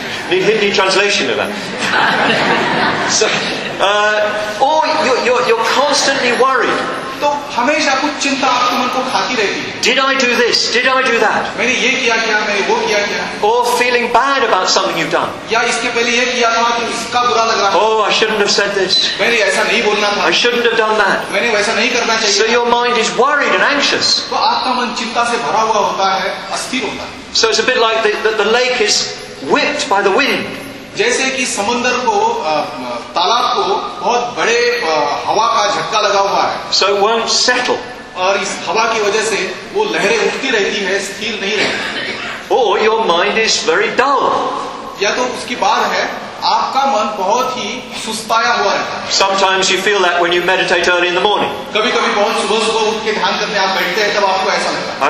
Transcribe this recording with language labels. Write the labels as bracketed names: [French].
[English] Need Hindi translation of that. So, or you're constantly worried. [Hindi] तो हमेशा कुछ चिंता आपके मन को खाती रहती है. [English] Did I do this? Did I do that? [Hindi] मैंने ये किया क्या? मैंने वो किया क्या? [English] Or feeling bad about something you've done? [Hindi] या इसके पहले ये किया था कि इसका बुरा लग रहा. [English] Oh, I shouldn't have said this. [Hindi] मैंने ऐसा नहीं बोलना था. [English] I shouldn't have done that. [Hindi] मैंने वैसा नहीं करना चाहिए. [English] So your mind is worried and anxious. [Hindi] तो आपका मन चिंता से भरा हुआ होता है, अस्थिर होता है. [English] So it's a bit like the lake is whipped by the wind. [Hindi] जैसे कि समंदर को तालाब को बहुत बड़े हवा का झटका लगा हुआ है. [English] So it won't settle. [Hindi] और इस हवा की वजह से वो लहरें उठती रहती है, स्थिर नहीं रहती. [English] Oh, your mind is very dull. [Hindi] या तो उसकी बात है, आपका मन बहुत ही सुस्ताया हुआ रहता है. [English] Sometimes you feel that when you meditate early in the morning. [Hindi] कभी कभी बहुत सुबह सुबह उठ के ध्यान करने आप बैठते हैं तब आपको ऐसा लगता है.